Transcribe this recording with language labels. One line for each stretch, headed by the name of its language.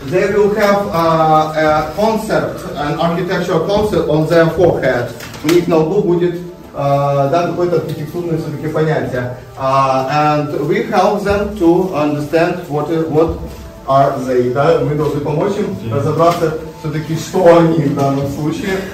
English: They will have a concert, an architectural concert on their forehead.
Russian: У них на лбу будет какое-то архитектурное все-таки понятие.
English: And we help them to understand what are they.
Russian: Да? Мы должны помочь им разобраться все-таки, что они в данном случае.